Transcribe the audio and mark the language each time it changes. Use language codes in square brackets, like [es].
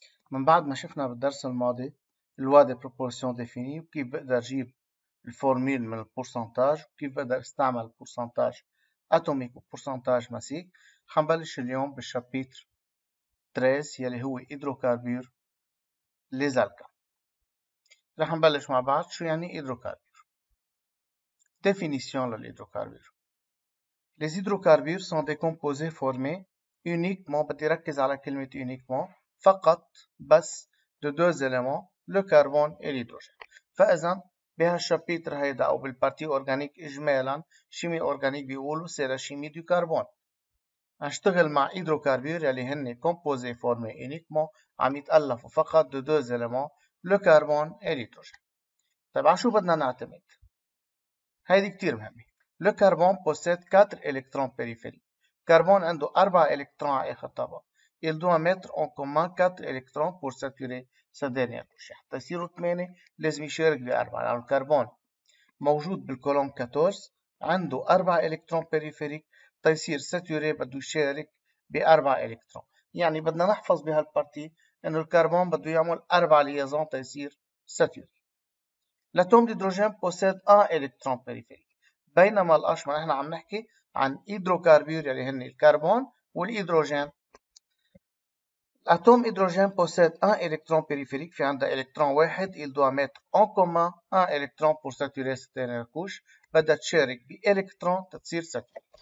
[ar] من بعد ما شفنا بالدرس الماضي الوادي بروبورسيون ديفيني وكيف بقدر اجيب الفورميل من البورسنتاج وكيف بقدر استعمل بورسنتاج اتوميك وبورسنتاج ماسيك، حنبلش اليوم بالشابتر 13 يلي هو هيدروكاربور ليزالكا. رح نبلش مع بعض شو يعني هيدروكاربور. [fr] ديفينيسيون للهيدروكاربور: Les hydrocarbures sont des composés formés uniquement, [ar] بدي ركز على كلمة [fr] uniquement, [ar] فقط بس [fr] de deux éléments, le carbone et l'hydrogène. [ar] فإذا بهالشابيتر هيدا أو بالبارتي أورجانيك إجمالا شيمي أورجانيك بيقولوا سيرا شيمي دو كربون. هنشتغل مع هيدروكاربور يلي هن كومبوزي فورمي uniquement عم يتألفوا فقط [fr] de deux éléments, le carbone et l'hydrogène. [ar] طيب عشو بدنا نعتمد؟ هيدي كتير مهمة. [fr] Le carbone possède 4 électrons périphériques. Carbone [ar] عنده [fr] 4 électrons à échappée. Il doit mettre en commun 4 électrons pour saturer sa dernière couche. [ar] تصيروا 8 لازم يشارك ب 4. يعني الكربون موجود بالكولوم 14 عنده 4 électrons périphériques. تصير ساتوري بده يشارك ب 4 électrons. يعني بدنا نحفظ بهالبارتي انه الكربون بده يعمل 4 ليازون تصير ساتوري. الاتوم الهيدروجين [fr] possède 1 électron périphérique. [ar] بينما الأشمر احنا عم نحكي عن هيدروكاربور يلي هن الكربون والهيدروجين. الاتوم هيدروجين بوسيد ان الكترون بيريفيريك، في عنده الكترون واحد، [fr] il doit mettre en commun un électron pour saturer cette dernière couche، [ar] بدها تشارك بالكترون تصير ساتور.